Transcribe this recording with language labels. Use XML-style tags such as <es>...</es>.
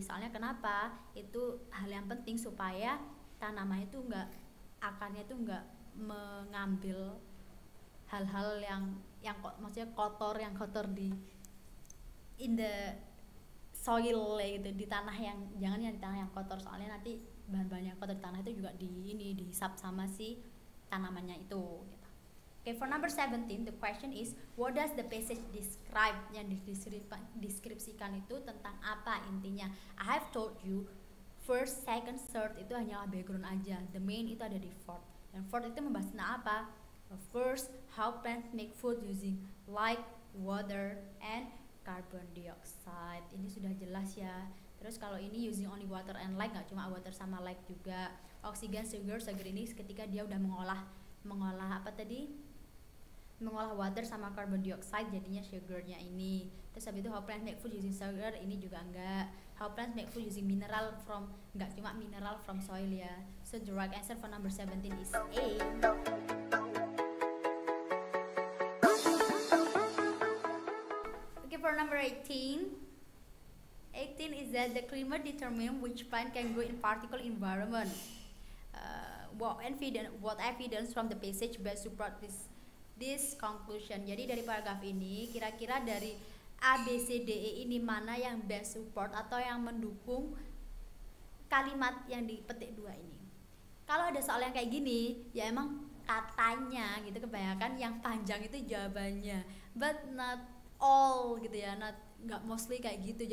<id>Soalnya kenapa? Itu hal yang penting supaya tanamannya itu enggak, akarnya itu enggak mengambil hal-hal yang maksudnya kotor, yang kotor di in the soil gitu, di tanah yang jangan yang di tanah yang kotor, soalnya nanti bahan-bahan yang kotor di tanah itu juga di ini dihisap sama si tanamannya itu gitu.</id> <en>Okay, for number 17 the question is what does the passage describe,</en> <id>yang deskripsikan itu tentang apa intinya.</id> <en>I have told you first, second, third</en> <id>itu hanyalah background aja,</id> <en>the main itu ada di fourth.</en> <id>Dan fourth itu membahas tentang apa?</id> <en>First, how plants make food using light, water and carbon dioxide.</en> <id>Ini sudah jelas ya. Terus kalau ini</id> <en>using only water and light,</en> <id>enggak cuma water sama light juga. Oksigen, sugar, sugar ini ketika dia udah mengolah apa tadi? Mengolah water sama carbon dioxide jadinya sugar-nya ini. Terus habis itu</id> <en>how plants make food using sugar,</en> <id>ini juga enggak.</id> <en>How plants make food using mineral from,</en> <id>enggak cuma</id> <en>mineral from soil ya. So the right answer for number 17 is A. For number 18 is that the climate determine which plant can grow in particular environment. What evidence from the passage best support this conclusion.</en> <id>Jadi dari paragraf ini kira-kira dari A B C D E ini mana yang best support atau yang mendukung kalimat yang di petik 2 ini. Kalau ada soal yang kayak gini ya emang katanya gitu kebanyakan yang panjang itu jawabannya,</id> <en>but not all</en> <id>gitu ya, nggak mostly kayak gitu.</id>